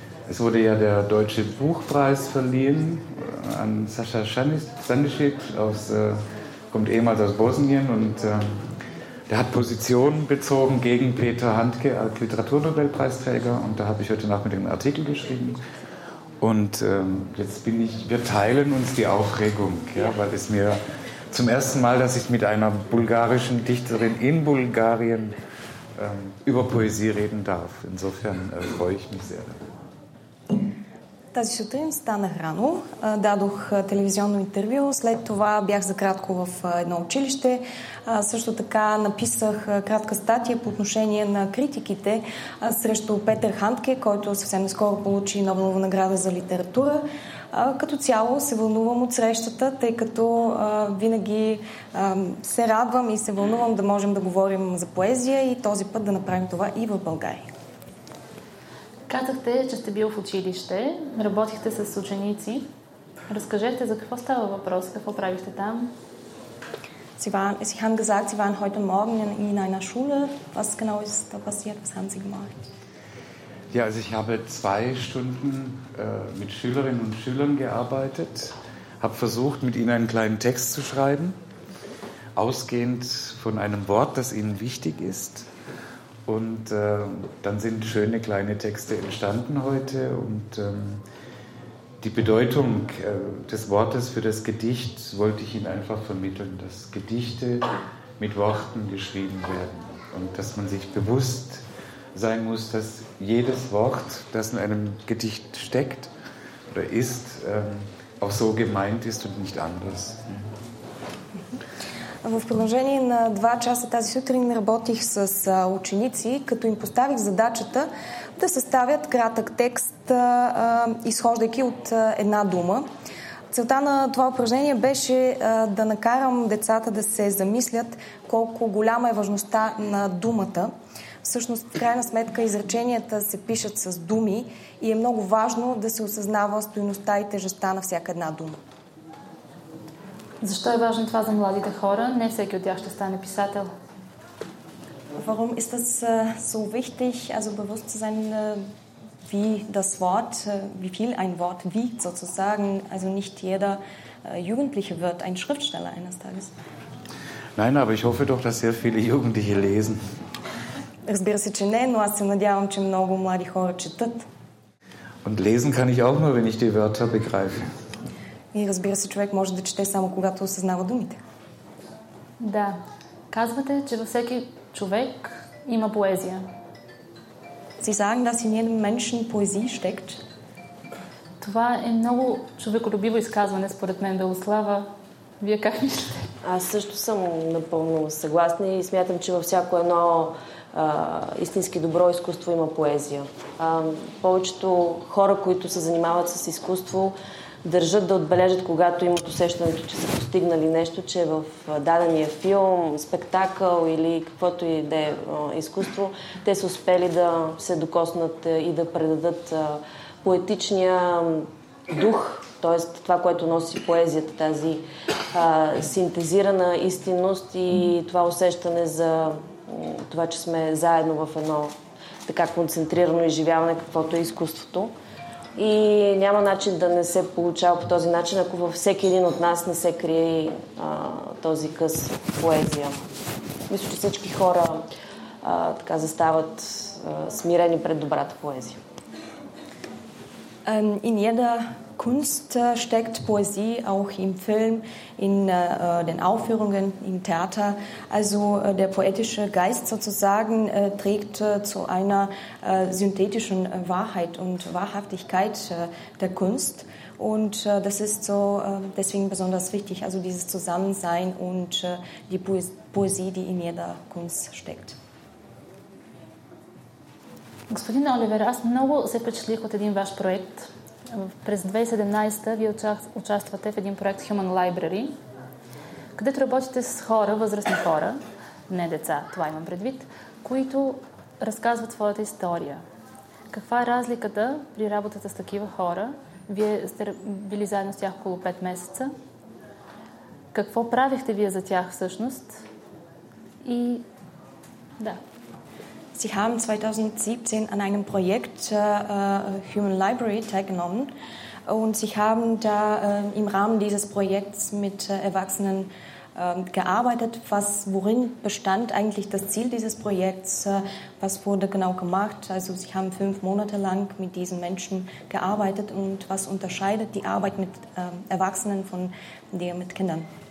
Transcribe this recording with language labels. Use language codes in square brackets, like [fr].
[de] Es wurde ja der Deutsche Buchpreis verliehen an Sascha Sandischit, kommt ehemals aus Bosnien und der hat Position bezogen gegen Peter Handke als Literaturnobelpreisträger und da habe ich heute Nachmittag einen Artikel geschrieben Und jetzt bin ich, wir teilen uns die Aufregung, ja, weil es mir zum ersten Mal, dass ich mit einer bulgarischen Dichterin in Bulgarien über Poesie reden darf. Insofern freue ich mich sehr. [bg] Тази сутрин станах рано, дадох телевизионно интервю, след това бях за кратко в едно училище. Също така написах кратка статия по отношение на критиките срещу Петър Хандке, който съвсем скоро получи Нобелова награда за литература. Като цяло се вълнувам от срещата, тъй като винаги се радвам и се вълнувам да можем да говорим за поезия и този път да направим това и в България. Казахте, че сте бил в училище, работихте с ученици. Разкажете, за какво става въпрос, какво правихте там? [de] Sie haben gesagt, Sie waren heute Morgen in einer Schule. Was genau ist da passiert? Was haben Sie gemacht? Ja, also ich habe zwei Stunden mit Schülerinnen und Schülern gearbeitet, habe versucht, mit ihnen einen kleinen Text zu schreiben, ausgehend von einem Wort, das ihnen wichtig ist. Und dann sind schöne kleine Texte entstanden heute und die Bedeutung des Wortes für das Gedicht wollte ich Ihnen einfach vermitteln, dass Gedichte mit Worten geschrieben werden und dass man sich bewusst sein muss, dass jedes Wort, das in einem Gedicht steckt oder ist, auch so gemeint ist und nicht anders. [bg] В продължение на два часа тази сутрин работих с ученици, като им поставих задачата да съставят кратък текст, изхождайки от една дума. Целта на това упражнение беше да накарам децата да се замислят колко голяма е важността на думата. Всъщност, в крайна сметка, изреченията се пишат с думи и е много важно да се осъзнава стойността и тежестта на всяка една дума. Защо е важно това за младите хора? Не всеки от тях ще стане писател. [de] Warum ist das so wichtig, also bewusst zu sein, wie das Wort, wie viel ein Wort wiegt sozusagen, also nicht jeder Jugendliche wird ein Schriftsteller eines Tages. Nein, aber ich hoffe doch, dass sehr viele Jugendliche lesen. [bg] Разбира се, че не, но аз се надявам, че много млади хора четат. [de] Und lesen kann ich auch nur, wenn ich die Wörter begreife. [bg] И разбира се, човек може да чете само когато осъзнава думите. Да. Казвате, че във всеки човек има поезия. [de] Sie sagen, dass in jedem Menschen Poesie steckt. [bg] Това е много човеколюбиво изказване, според мен, Белослава. Вие как мислите? Аз също съм напълно съгласна и смятам, че във всяко едно истински добро изкуство има поезия. Повечето хора, които се занимават с изкуство, държат да отбележат, когато имат усещането, че са постигнали нещо, че в дадения филм, спектакъл или каквото и да е изкуство, те са успели да се докоснат и да предадат поетичния дух, т.е. това, което носи поезията, тази синтезирана истинност и това усещане за това, че сме заедно в едно така концентрирано изживяване, каквото е изкуството. И няма начин да не се получава по този начин, ако във всеки един от нас не се крие и този къс поезия. Мисля, че всички хора така застават смирени пред добрата поезия. [de] In jeder Kunst steckt Poesie, auch im Film, in den Aufführungen, im Theater. Also der poetische Geist sozusagen trägt zu einer synthetischen Wahrheit und Wahrhaftigkeit der Kunst. Und das ist so deswegen besonders wichtig, also dieses Zusammensein und die Poesie, die in jeder Kunst steckt. [bg] Господин Оливер, аз много се впечатлих от един ваш проект. През 2017-та вие участвате в един проект Human Library, където работите с хора, възрастни хора, не деца, това имам предвид, които разказват своята история. Каква е разликата при работата с такива хора? Вие сте били заедно с тях около 5 месеца. Какво правихте вие за тях всъщност? И да. [de] Sie haben 2017 an einem Projekt Human Library teilgenommen und Sie haben da im Rahmen dieses Projekts mit erwachsenen gearbeitet, was, worin bestand eigentlich das Ziel dieses Projekts, was wurde genau gemacht, also sie haben 5 Monate lang mit diesen Menschen gearbeitet und was unterscheidet die Arbeit mit Erwachsenen von der mit Kindern?